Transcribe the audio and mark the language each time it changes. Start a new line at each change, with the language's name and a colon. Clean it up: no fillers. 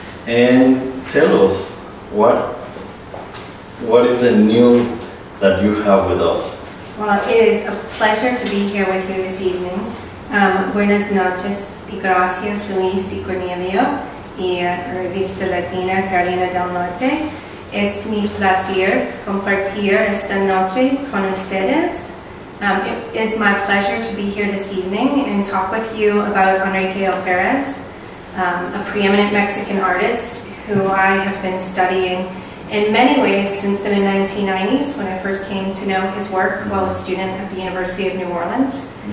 English: And tell us, what is the new that you have with us? Well, it is a pleasure to be here with you this evening.
Spanish: Buenas noches y gracias, Luis y Cornelio, y Revista Latina, Carolina del Norte. Es mi placer compartir esta noche con ustedes.
English: It is my pleasure to be here this evening and talk with you about Enrique Alférez, a preeminent Mexican artist who I have been studying in many ways since the mid-1990s when I first came to know his work while a student at the University of New Orleans.